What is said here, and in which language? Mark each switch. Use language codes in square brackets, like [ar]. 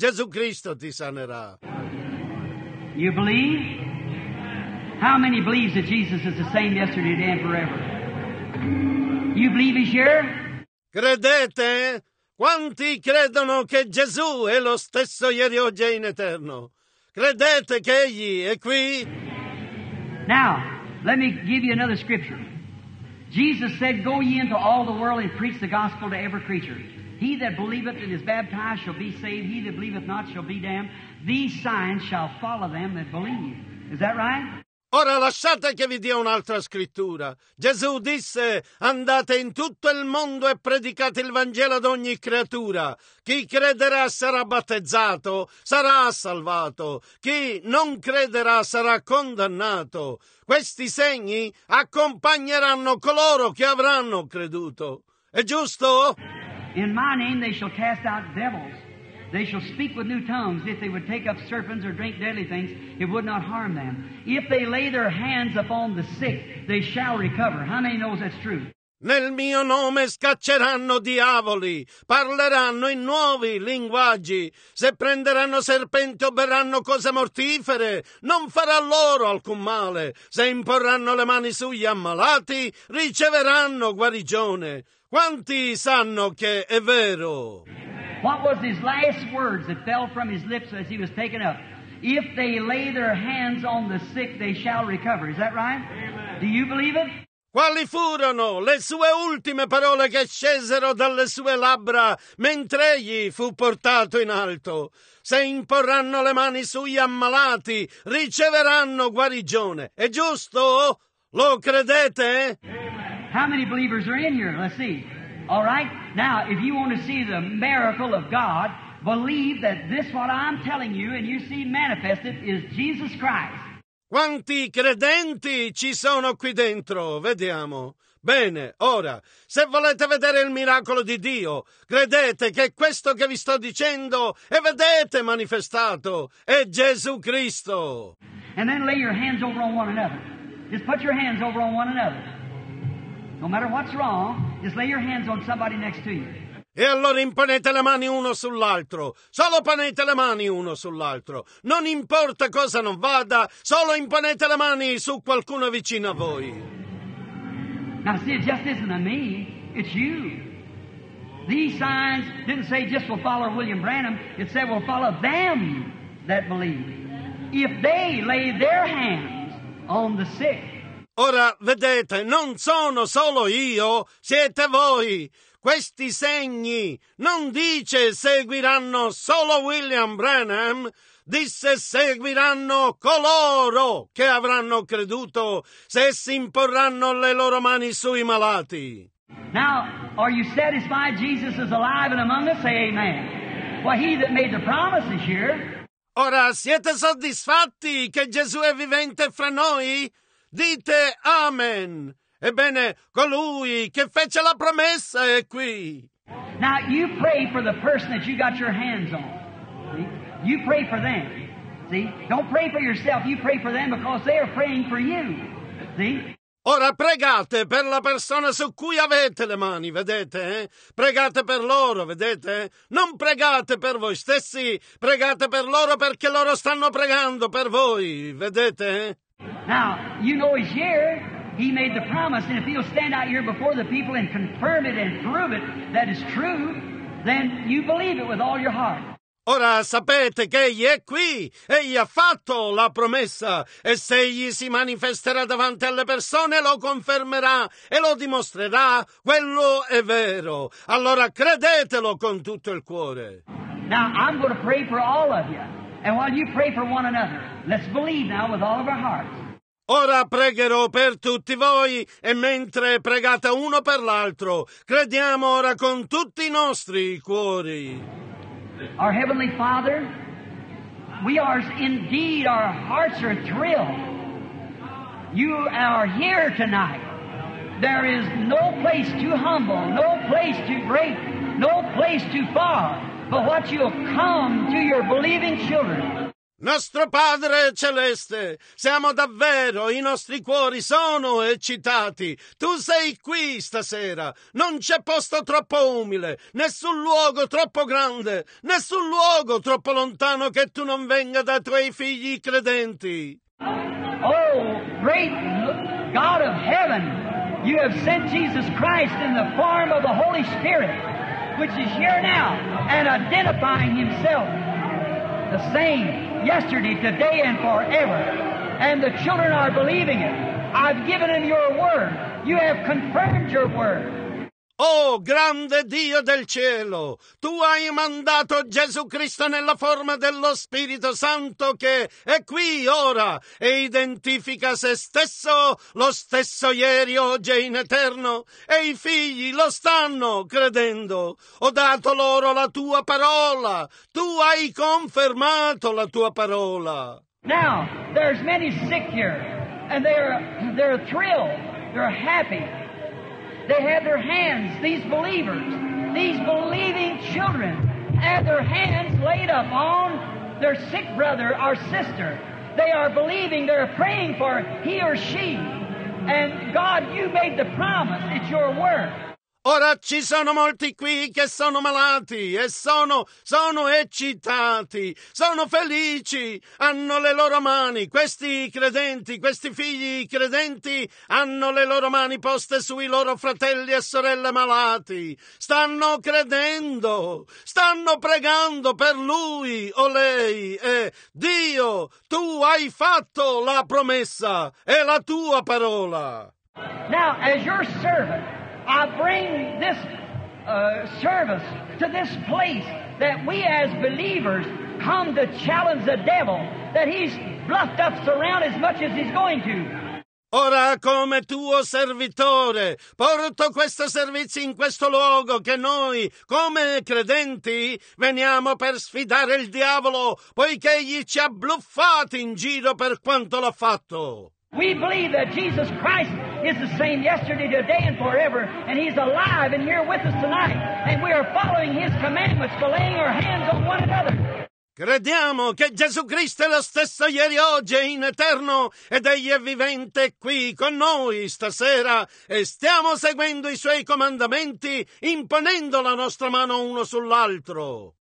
[it] Gesù Cristo ti sanerà. [en] You believe? How many believe that Jesus is the same yesterday, today and forever? You believe he's here? [it] Credete? Quanti credono che Gesù è lo stesso ieri, oggi e in eterno? Credete che egli è qui? [en] Now, let me give you another scripture. Jesus said, go ye into all the world and preach the gospel to every creature. He that believeth and is baptized shall be saved. He that believeth not shall be damned. These signs shall follow them that believe. Is that right? [it] Ora lasciate che vi dia un'altra scrittura. Gesù disse, andate in tutto il mondo e predicate il Vangelo ad ogni creatura. Chi crederà sarà battezzato, sarà salvato. Chi non crederà sarà condannato. Questi segni accompagneranno coloro che avranno creduto. È giusto? [en] In my name they shall cast out devils. They shall speak with new tongues. If they would take up serpents or drink deadly things, it would not harm them. If they lay their hands upon the sick, they shall recover. How many knows that's true? [it] Nel mio nome scacceranno diavoli, parleranno in nuovi linguaggi. Se prenderanno serpenti o berranno cose mortifere, non farà loro alcun male. Se imporranno le mani sugli ammalati, riceveranno guarigione. Quanti sanno che è vero? [en] What was his last words that fell from his lips as he was taken up? If they lay their hands on the sick, they shall recover. Is that right? Amen. Do you believe it? [it] Quali furono le sue ultime parole che scesero dalle sue labbra mentre egli fu portato in alto? Se imporranno le mani sugli ammalati, riceveranno guarigione. È giusto? Lo credete? Amen. [en] How many believers are in here? Let's see. All right? Now, if you want to see the miracle of God, believe that this, what I'm telling you, and you see manifested, is Jesus Christ. [it] Quanti credenti ci sono qui dentro? Vediamo. Bene, ora, se volete vedere il miracolo di Dio, credete che questo che vi sto dicendo e vedete manifestato è Gesù Cristo. [en] And then lay your hands over on one another. Just put your hands over on one another. No matter what's wrong, just lay your hands on somebody next to you. [it] E allora imponete le mani uno sull'altro. Solo ponete le mani uno sull'altro. Non importa cosa non vada, solo imponete le mani su qualcuno vicino a voi. [en] Now see, it just isn't a me, it's you. These signs didn't say just will follow William Branham, it said will follow them that believe. If they lay their hands on the sick. [it] Ora, vedete, non sono solo io, siete voi. Questi segni, non dice seguiranno solo William Branham, disse seguiranno coloro che avranno creduto se si imporranno le loro mani sui malati. [en] Now, are you satisfied Jesus is alive and among us? Say amen. Well, he that made the promises here. [it] Ora, siete soddisfatti che Gesù è vivente fra noi? Dite amen. Ebbene, colui che fece la promessa è qui. [en] Now, you pray for the person that you got your hands on. You pray for them. See? Don't pray for yourself. You pray for them because they are praying for you. See? [it] Ora pregate per la persona su cui avete le mani, vedete? Pregate per loro, vedete? Non pregate per voi stessi, pregate per loro perché loro stanno pregando per voi, vedete? [en] Now, you know he's here. He made the promise, and if he'll stand out here before the people and confirm it and prove it that is true, then you believe it with all your heart. [it] Ora sapete che egli è qui, egli ha fatto la promessa, e se egli si manifesterà davanti alle persone, lo confermerà e lo dimostrerà, quello è vero. Allora credetelo con tutto il cuore. [en] Now I'm going to pray for all of you, and while you pray for one another, let's believe now with all of our hearts. [it] Ora pregherò per tutti voi, e mentre pregate uno per l'altro, crediamo ora con tutti i nostri cuori. [en] Our Heavenly Father, we are indeed, our hearts are thrilled. You are here tonight. There is no place too humble, no place too great, no place too far, but what you have come to your believing children. [it] Nostro Padre Celeste, siamo davvero, i nostri cuori sono eccitati. Tu sei qui stasera. Non c'è posto troppo umile, nessun luogo troppo grande, nessun luogo troppo lontano che tu non venga dai tuoi figli credenti. [en] Oh, great God of heaven, you have sent Jesus Christ in the form of the Holy Spirit, which is here now, and identifying himself the same. Yesterday, today, and forever. And the children are believing it. I've given them your word. You have confirmed your word. [it] Oh, grande Dio del cielo, tu hai mandato Gesù Cristo nella forma dello Spirito Santo che è qui ora e identifica se stesso, lo stesso ieri, oggi e in eterno, e i figli lo stanno credendo. Ho dato loro la tua parola, tu hai confermato la tua parola. [en] Now, there's many sick here, and they're thrilled, they're happy. They have their hands, these believers, these believing children, have their hands laid up on their sick brother or sister. They are believing, they are praying for he or she. And God, you made the promise, it's your word. [it] Ora ci sono molti qui che sono malati e sono eccitati, sono felici, hanno le loro mani, questi credenti, questi figli credenti hanno le loro mani poste sui loro fratelli e sorelle malati, stanno credendo, stanno pregando per lui o lei e Dio, tu hai fatto la promessa e la tua parola. [en] Now, as your servant, I bring this service to this place that we as believers come to challenge the devil that he's bluffed up around as much as he's going to. [it] Ora come tuo servitore porto questo servizio in questo luogo che noi come credenti veniamo per sfidare il diavolo poiché egli ci ha bluffati in giro per quanto l'ha fatto. [en] We believe that Jesus Christ is the same yesterday, today, and forever, and he's alive and here with us tonight, and we are following his commandments by laying our hands on one another. [it] Crediamo che Gesù Cristo è lo stesso ieri, oggi e in eterno, ed egli è vivente qui con noi stasera, e stiamo seguendo i suoi comandamenti, imponendo la nostra mano uno sull'altro.